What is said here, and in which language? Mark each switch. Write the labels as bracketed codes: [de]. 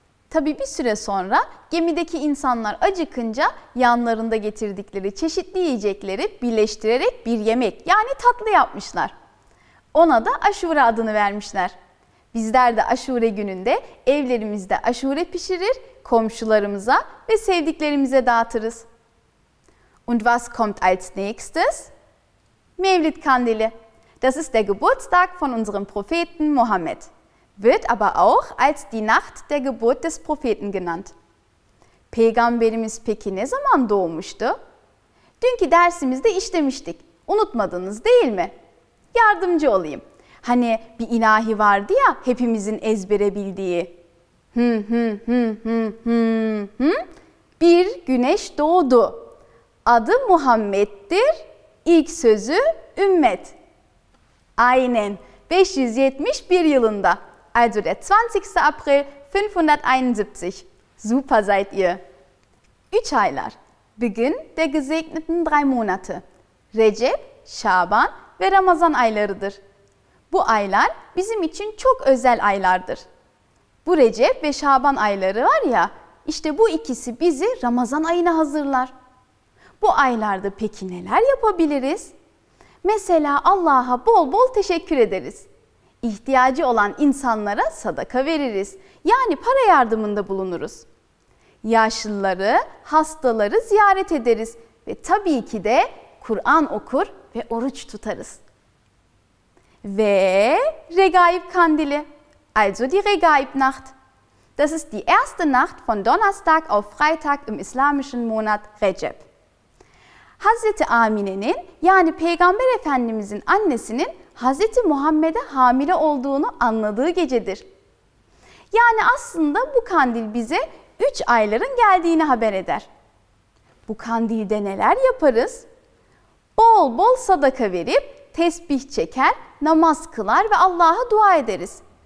[tr] Tabii bir süre sonra gemideki insanlar acıkınca yanlarında getirdikleri çeşitli yiyecekleri birleştirerek bir yemek yani tatlı yapmışlar. Ona da aşure adını vermişler. Bizler de aşure gününde evlerimizde aşure pişirir, komşularımıza ve sevdiklerimize dağıtırız. [de] Und was kommt als nächstes? Mevlid kandili. Das ist der Geburtstag von unserem Propheten Mohammed. Wird aber auch als die Nacht der Geburt des Propheten genannt. [tr] Peygamberimiz peki ne zaman doğmuştu? Dünkü dersimizde işlemiştik. Unutmadınız değil mi? Yardımcı olayım. Hani bir ilahi vardı ya hepimizin ezbere bildiği. Bir güneş doğdu. Adı Muhammed'dir. İlk sözü ümmet. Aynen. 571 yılında. [de] Also der 20. April 571. Super seid ihr. [tr] Üç aylar. [de] Beginn der gesegneten drei Monate. [tr] Recep, Şaban ve Ramazan aylarıdır. Bu aylar bizim için çok özel aylardır. Bu Recep ve Şaban ayları var ya, işte bu ikisi bizi Ramazan ayına hazırlar. Bu aylarda peki neler yapabiliriz? Mesela Allah'a bol bol teşekkür ederiz. İhtiyacı olan insanlara sadaka veririz. Yani para yardımında bulunuruz. Yaşlıları, hastaları ziyaret ederiz. Ve tabii ki de Kur'an okur ve oruç tutarız. Ve Regaib Kandili. [de] Also die Regaib Nacht. Das ist die erste Nacht von Donnerstag auf Freitag im islamischen Monat Recep. [tr] Hazreti Amine'nin yani Peygamber Efendimizin annesinin Hazreti Muhammed'e hamile olduğunu anladığı gecedir. Yani aslında bu kandil bize 3 ayların geldiğini haber eder. Bu kandilde neler yaparız? Bol bol sadaka verip tesbih çeker, namaz kılar ve Allah'a dua ederiz.